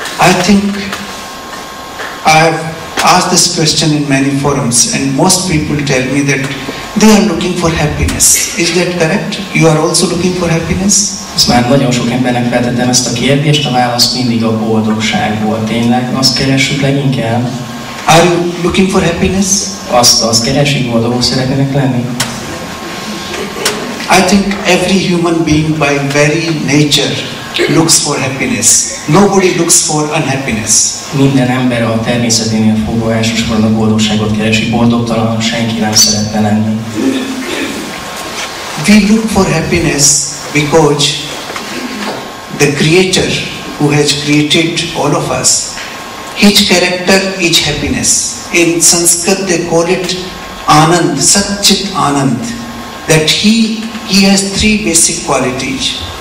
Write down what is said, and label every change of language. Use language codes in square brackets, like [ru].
[en] I think I've asked this question in many forums, and most people tell me that they are looking for happiness. Is that correct? You are also looking for happiness? [hu] Ezt már nagyon sok embernek feltettem ezt a kérdést, a válasz mindig a boldogság volt. Tényleg, azt keresünk leginkább. [en] Are you looking for happiness? [hu] Azt keresik, boldogok szeretnének lenni. [en] I think every human being by very nature looks for happiness. Nobody looks for unhappiness. [hu] Minden ember a természeténél fogva elsősorban a boldogságot keresi, boldogtalan senki nem szeretne lenni. [en] We look for happiness because the creator who has created all of us, his character is happiness. In Sanskrit they call it anand, satchit anand. That he has three basic qualities.